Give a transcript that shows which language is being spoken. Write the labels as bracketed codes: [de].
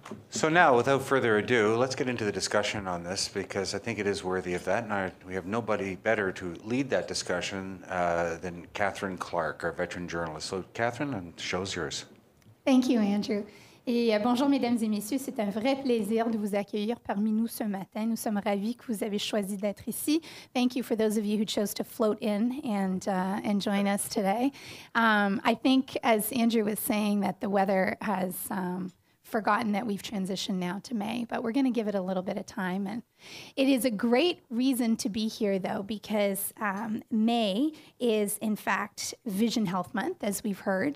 [en] So now, without further ado, let's get into the discussion on this, because I think it is worthy of that. And we have nobody better to lead that discussion than Catherine Clark, our veteran journalist. So Catherine, the show's yours. Thank you, Andrew. [fr] Et bonjour, mesdames et messieurs. C'est un vrai plaisir de vous accueillir parmi nous ce matin. Nous sommes ravis que vous avez choisi d'être ici. [en] Thank you for those of you who chose to float in and join us today. I think, as Andrew was saying, that the weather has forgotten that we've transitioned now to May, but we're going to give it a little bit of time. And it is a great reason to be here, though, because May is, in fact, Vision Health Month, as we've heard.